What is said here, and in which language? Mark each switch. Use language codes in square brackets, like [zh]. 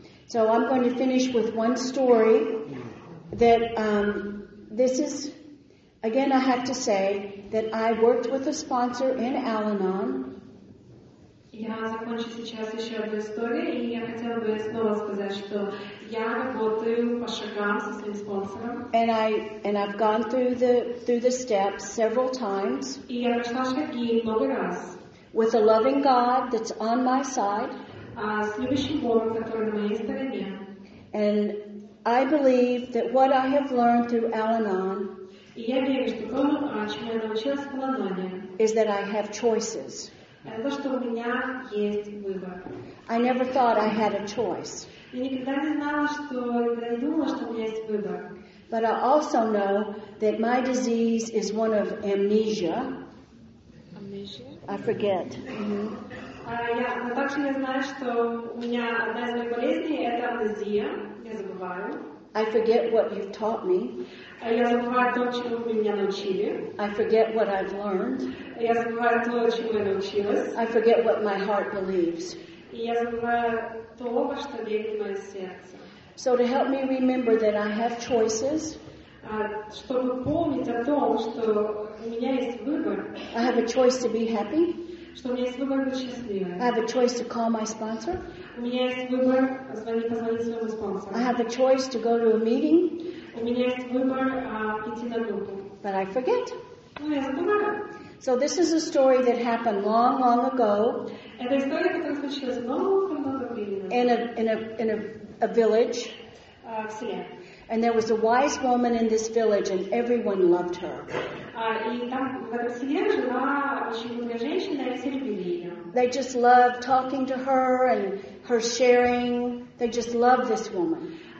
[en] So I'm going to finish with one story that this is, again, I have to say that I worked with a sponsor in Al-Anon. [ru] Я закончу сейчас еще одну историю, и я хотела бы снова сказать, что я работаю по шагам со своим спонсором. [en] And I've gone through the steps several times. [ru] И я прошла шаги много раз. [en] With a loving God that's on my side. [ru] С любящим Богом, который на моей стороне. [en] And I believe that what I have learned through Al-Anon. [ru] И я верю, что то, чему я научилась в Al-Anon. [en] Is that I have choices. [ru] То, что у меня есть выбор. [en] I never thought I had a choice. [ru] Я никогда не знала, что, я не думала, что у меня есть выбор. [en] But I also know that my disease is one of amnesia. Amnesia? I forget. [ru] Но также я знаю, что у меня одна из моих болезней – это амнезия. Я забываю. [en] I forget what you've taught me. [ru] Я забываю то, чему вы меня научили. [en] I forget what I've learned. [ru] Я забываю то, чему я научилась. [en] I forget what my heart believes. [ru] Я забываю то, во что верит мое сердце. [en] So to help me remember that I have choices. [ru] Чтобы помнить о том, что у меня есть выбор. [en] I have a choice to be happy. [ru] Что у меня есть выбор быть счастливой. [en] I have a choice to call my sponsor. [ru] У меня есть выбор позвонить своему спонсору. [en] I have a choice to go to a meeting. [ru] У меня есть выбор идти на группу. [en] But I forget. [ru] Но я забываю. [en] So this is a story that happened long, long ago. [ru] Это история, которая случилась много-много времени. [en] In a village. [ru] В селе. [en] And there was a wise woman in this village, and everyone loved her. They just loved talking to her and her sharing. They just loved this woman.